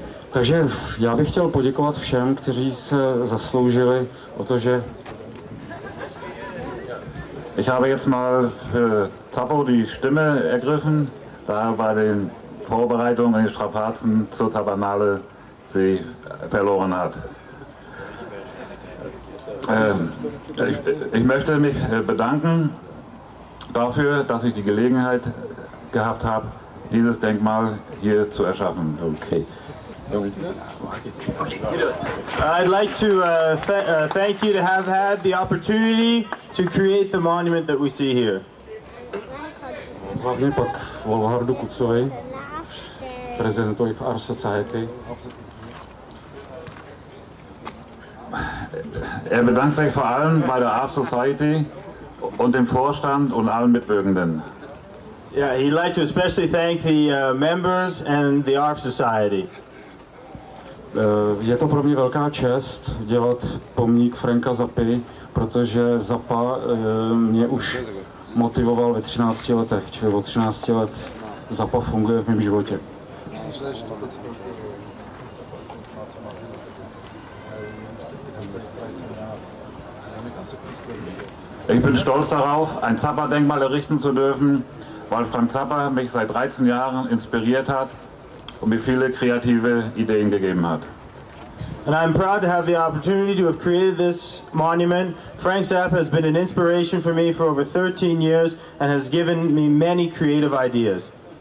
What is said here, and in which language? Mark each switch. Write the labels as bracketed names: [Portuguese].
[Czech] Takže já bych chtěl poděkovat všem, kteří se zasloužili o to, že... [German] Ich habe jetzt mal für Zappo die Stimme ergriffen, da bei den Vorbereitungen und Strapazen zur Zappanale sie verloren hat. Ich möchte mich bedanken dafür, dass ich die Gelegenheit gehabt habe, dieses Denkmal hier zu erschaffen. Okay. [English] I'd like to thank you to have had the opportunity to create the monument that we see here. [Czech] Hlavně pak Wolfhardu Kucovi, prezidentovi v Art Society. [German] Er bedankt sich vor allem bei der Art Society und dem Vorstand und allen Mitwirkenden. [English] Yeah, he'd like to especially thank the members and the Art Society. [Czech] Je to pro mě velká čest dělat pomník Franka Zappy, protože Zappa mě už motivoval ve 13 letech, čili od 13 let Zappa funguje v mém životě. [German] Ich bin stolz darauf, ein Zappa-Denkmal errichten zu dürfen, weil Frank Zappa mich seit 13 Jahren inspiriert hat und mir viele kreative Ideen gegeben hat. [English] And I'm proud to have the opportunity to have created this monument. Frank Zappa has been an inspiration for me for over 13 years and has given me many creative ideas.